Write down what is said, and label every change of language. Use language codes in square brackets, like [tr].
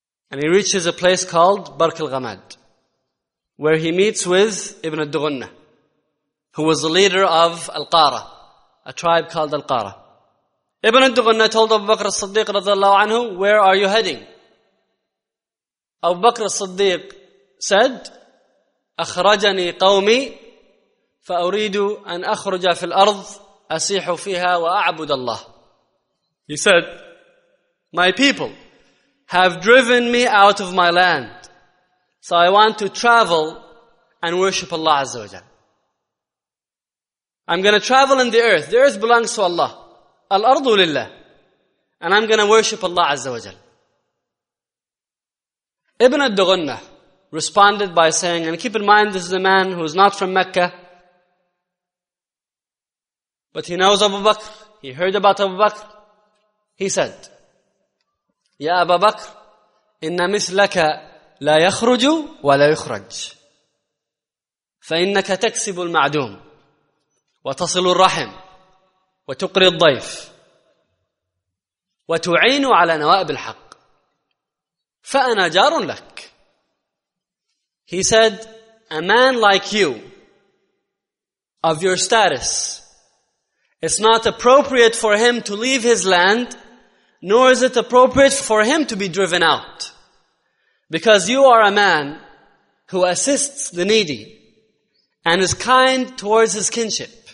[en] And he reaches a place called Bark al-Ghamad, where he meets with Ibn al-Dughunna, who was the leader of Al-Qara, a tribe called Al-Qara. Ibn al-Dughunna told Abu Bakr as-Siddiq radiallahu anhu, "Where are you heading?" [ar] Abu Bakr as-Siddiq said, "أخرجني قومي فأريد أن أخرج في الأرض أسيح فيها وأعبد الله." [en] He said, "My people have driven me out of my land. So I want to travel and worship Allah Azza wa Jal. I'm going to travel in the earth. The earth belongs to Allah. Al-ardu lillah. And I'm going to worship Allah Azza wa Jal." Ibn al-Dughunna responded by saying, and keep in mind this is a man who is not from Mecca, but he knows Abu Bakr. He heard about Abu Bakr. [ar] He said, "يا أبا بكر إن مثلك لا يخرج ولا يخرج فإنك تكسب المعدوم وتصل الرحم وتقري الضيف وتعين على نوائب الحق فأنا جار لك." [en] He said, "A man like you, of your status, it's not appropriate for him to leave his land, nor is it appropriate for him to be driven out. Because you are a man who assists the needy and is kind towards his kinship.